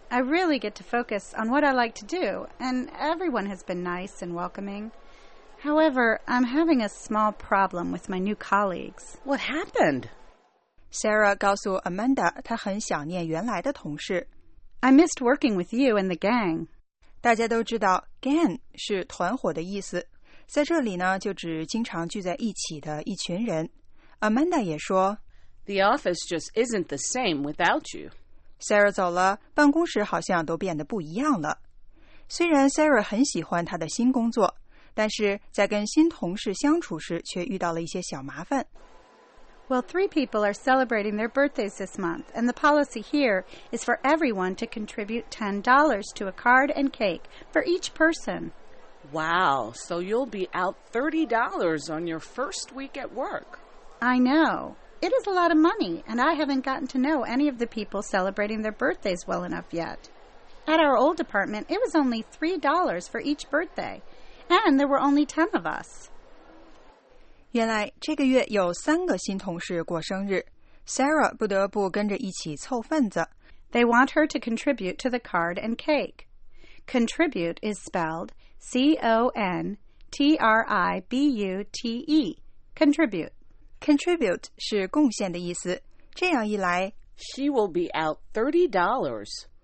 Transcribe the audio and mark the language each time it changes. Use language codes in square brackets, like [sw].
[en] I really get to focus on what I like to do, and everyone has been nice and welcoming. However, I'm having a small problem with my new colleagues. What happened? [zh] Sarah 告诉 Amanda 她很想念原来的同事。 [en] I missed working with you and the gang. [zh] 大家都知道 gang 是团伙的意思，在这里呢就指经常聚在一起的一群人。 Amanda 也说 [en] The office just isn't the same without you. [zh] Sarah 走了，办公室好像都变得不一样了。虽然 Sarah 很喜欢她的新工作，但是在跟新同事相处时却遇到了一些小麻烦。 [en] Well, three people are celebrating their birthdays this month, and the policy here is for everyone to contribute $10 to a card and cake for each person. Wow, so you'll be out $30 on your first week at work. I know. It is a lot of money, and I haven't gotten to know any of the people celebrating their birthdays well enough yet. At our old department, it was only $3 for each birthday, and there were only 10 of us. [zh] 原来这个月有三个新同事过生日， Sarah 不得不跟着一起凑份子。 [en] They want her to contribute to the card and cake. Contribute is spelled C-O-N-T-R-I-B-U-T-E. Contribute. [zh] Contribute 是贡献的意思。这样一来 [en] She will be out $30.